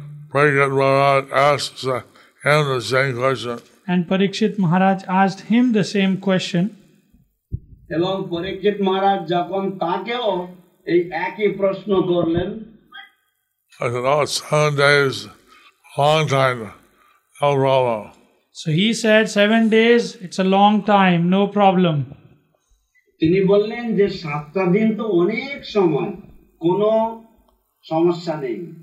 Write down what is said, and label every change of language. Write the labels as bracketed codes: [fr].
[en] Pragya Maharaj asked him the same question, and Parikshit Maharaj asked him the same question, [bn] এবং পরীক্ষিত মহারাজ যখন তাকেও এই একই প্রশ্ন করলেন, [en] I said, oh, 7 days, long time, no problem. So he said, 7 days, it's a long time, no problem. [bn] তিনি বললেন যে 7টা দিন তো অনেক সময়, কোনো সমস্যা নেই।